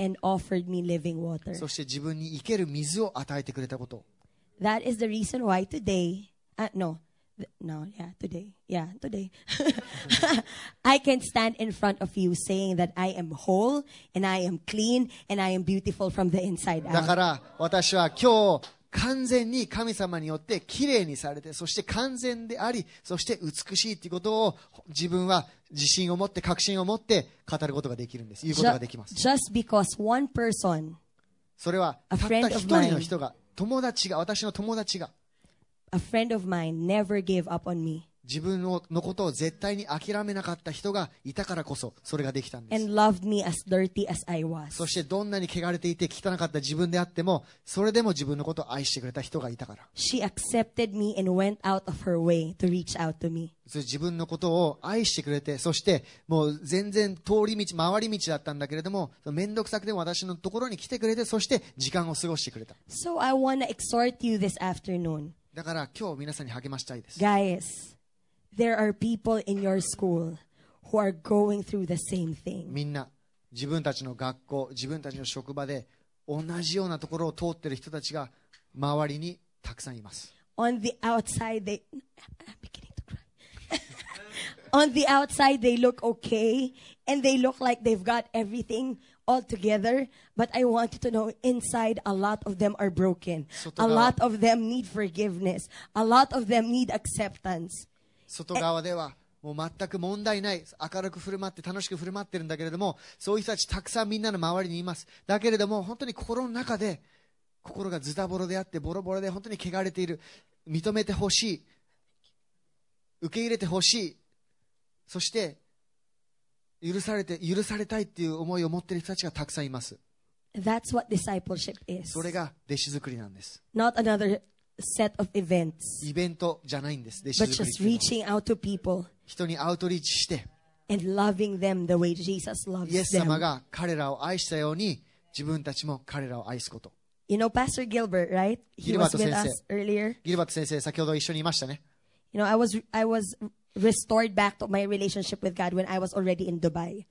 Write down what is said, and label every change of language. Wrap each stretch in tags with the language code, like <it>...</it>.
<en>And offered me living water.</en> <ja>そして自分に生ける水を与えてくれたこと。</ja> <en>That is the reason why today, today, I can stand in front of you saying that I am whole and I am clean and I am beautiful from the inside out.</en> <ja>だから私は今日完全に神様によって綺麗にされて、そして完全であり、そして美しいということを自分は自信を持って確信を持って語ることができるんです、言うことができます。</ja> <en>Just because one person,</en> <ja>それはたった一人の人が、友達が、私の友達が、</ja> <en>A friend of mine never gave up on me.</en> <ja>自分のことを絶対に諦めなかった人がいたからこそそれができたんです。</ja> <en>And loved me as dirty as I was.</en> <ja>そしてどんなに汚れていて汚かった自分であっても、それでも自分のことを愛してくれた人がいたから、</ja> <en>She accepted me and went out of her way to reach out to me.</en> <ja>自分のことを愛してくれて、そしてもう全然通り道、回り道だったんだけれども、めんどくさくても私のところに来てくれて、そして時間を過ごしてくれた。</ja> <en>So I want to exhort you this afternoon.</en> <ja>だから今日皆さんに励ましたいです。</ja> <en>GuysThere are people in your school who are going through the same thing.</en> <ja>みんな自分たちの学校、自分たちの職場で同じようなところを通ってる人たちが周りにたくさんいます。</ja> <en>On the outside, I'm beginning to cry. On the outside, they look okay and they look like they've got everything. All together, but I want you to know inside a lot of them are broken. A lot of them need forgiveness. A lot of them need acceptance.</en> <ja>外側ではもう全く問題ない、明るく振る舞って楽しく振る舞ってるんだけれども、そういう人たちたくさんみんなの周りにいます。だけれども本当に心の中で心がズタボロであってボロボロで本当に汚れている、認めてほしい、受け入れてほしい、そして許されたいっていう思いを持っている人たちがたくさんいます。</ja> <en>That's what discipleship is.</en> <ja>それが弟子作りなんです。</ja> <en>Not another set of events.</en> <ja>イベントじゃないんです、弟子作りっていうのは。</ja> <en>But just reaching out to people.</en> <ja>人にアウトリーチして、</ja> <en>And loving them the way Jesus loves them.</en> <ja>イエス様が彼らを愛したように自分たちも彼らを愛すこと。</ja> <en>You know Pastor Gilbert, right? He was with us earlier.</en> <ja>ギルバート先生、先ほど一緒にいましたね。</ja> <en>You know, I was restored back to my relationship with God when I was already in Dubai.</en>